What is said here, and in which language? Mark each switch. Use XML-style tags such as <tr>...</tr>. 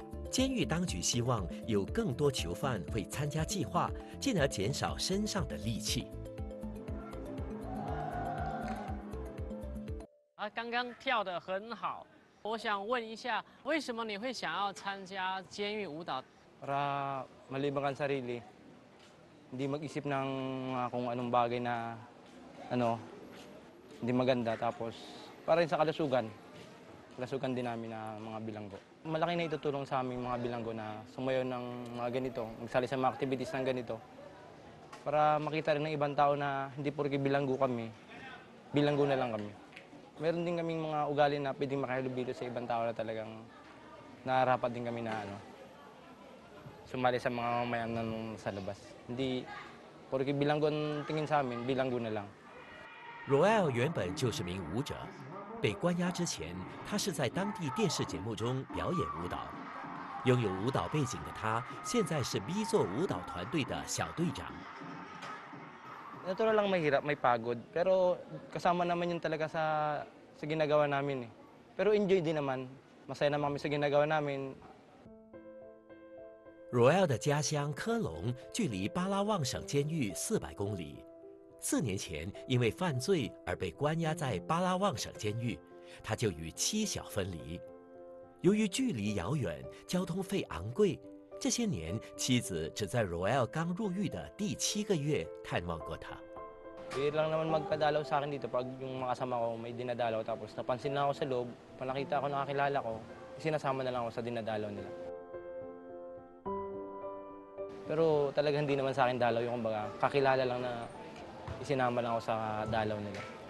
<zh>监狱当局希望有更多囚犯会参加计划，进而减少身上的戾气。啊，刚刚跳得很好，我想问一下，为什么你会想要参加监狱舞蹈？</zh> <tl>Para malibangan sarili, hindi mag-isip ng kung anong bagay na ano, hindi maganda. Tapos para rin sa kalusugan, kalusugan din namin na mga bilanggo. Malaki na itutulong sa aming mga bilanggo na sumayo ng mga ganito, magsali sa mga activities ng ganito, para makita rin ng ibang tao na hindi porke bilanggo kami, bilanggo na lang kami. Meron din kaming mga ugali na pwedeng makahilubilo sa ibang tao na talagang naharapan din kami na ano, sumali sa mga mamayan na sa labas. Hindi, porque bilanggo ang tingin sa amin, bilanggo na lang.</tl> <zh>Roel 原本就是名舞者，被关押之前，他是在当地电视节目中表演舞蹈。拥有舞蹈背景的他，现在是 B 座舞蹈团队的小队长。</zh> <tl>Natural lang mahirap, may pagod, pero kasama naman yun talaga sa ginagawa namin eh. Pero enjoy din naman, masaya naman kami sa ginagawa namin.</tl> <zh>Roel 的家乡科隆距离巴拉望省监狱400公里。 4年前因为犯罪而被关押在巴拉望省监狱，他就与妻小分离。由于距离遥远，交通费昂贵，这些年，妻子只在 Roel 刚入狱的第7个月探望过他。</zh> <tl>Hindi lang naman magkadalaw sa akin dito pag yung mga kasama ko may dinadalaw, tapos napansin na ako sa loob, panakita ako, nakakilala ko, sinasama na lang ako sa dinadalaw nila. Pero talaga hindi naman sa akin dalaw, yung kumbaga kakilala lang na isinama lang ako sa dalaw nila.</tl>